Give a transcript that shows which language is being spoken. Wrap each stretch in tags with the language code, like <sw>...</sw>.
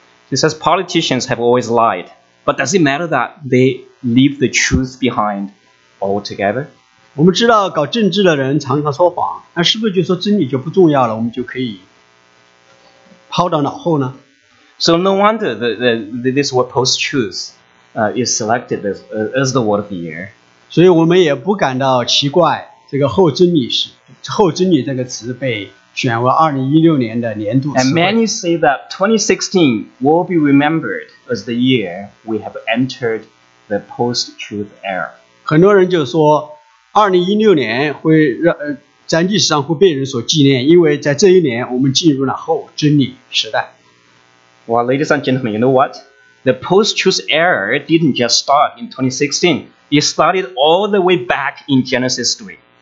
<en>It says politicians have always lied, but does it matter that they leave the truth behind altogether?</en> <zh>我们知道搞政治的人常常说谎,那是不是就说真理就不重要了,我们就可以抛到脑后呢?</zh> <en>So no wonder this word post-truth is selected as the word of the year.</en> <zh>所以我们也不感到奇怪,这个后真理这个词被选为2016年的年度词汇。</zh> <en>And many say that 2016 will be remembered as the year we have entered the post-truth era.</en> <zh>很多人就说, 2016年会让在历史上会被人所纪念,因为在这一年我们进入了后真理时代。</zh> <en>Well, ladies and gentlemen, you know what? The post-truth era didn't just start in 2016. It started all the way back in Genesis 3.</en>